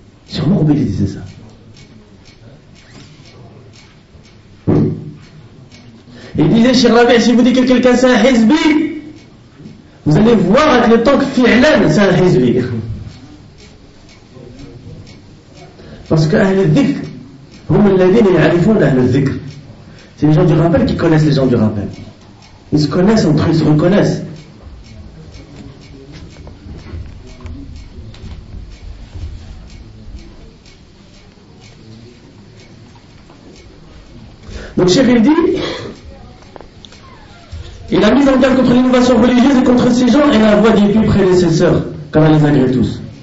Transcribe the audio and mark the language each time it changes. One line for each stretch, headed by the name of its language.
French: Cheikh Mokbil il disait ça. Il disait Cheikh Rabi' si vous dites que quelqu'un c'est un hizbi, vous allez voir avec le temps que fi'lan c'est un hizbi. Parce que
Arabic: Ahl al-Dhikr, هم الذين يعرفون أهل الذكر.
French: C'est les gens du rappel qui connaissent les gens du rappel. Ils se connaissent entre eux, ils se reconnaissent. Donc, Cheikh il dit, il a mis en garde contre l'innovation religieuse et contre ces gens et la voix des plus prédécesseurs, comme à les agréer tous.